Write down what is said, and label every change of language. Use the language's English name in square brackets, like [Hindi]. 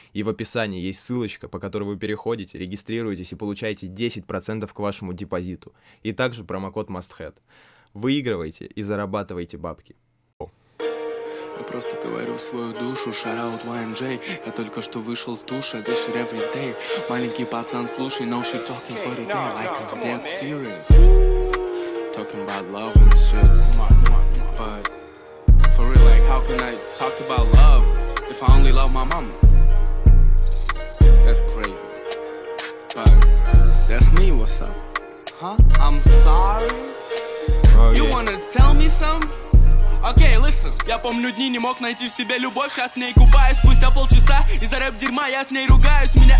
[Russian] И в описании есть ссылочка, по которой вы переходите, регистрируетесь и получаете 10% к вашему депозиту. И также промокод MUSTHEAD. Выигрывайте и зарабатывайте бабки. Я просто говорю свою душу, [English] shoutout YNJ. [Russian] Я только что вышел с душа, дышу [English] every day. [Russian] Маленький пацан, слушай, [English] no shit talking for the day. Like I'm dead serious. Talking about love and shit. But for real, like how can I talk about love if I only love my mama? That's crazy. But that's me, what's up? Huh? I'm sorry. You wanna tell me something? [Russian] Окей, [English] listen. [Russian] Я помню дни, не мог найти в себе любовь. Сейчас с ней купаюсь, спустя полчаса. Из-за рэп дерьма я с ней ругаюсь.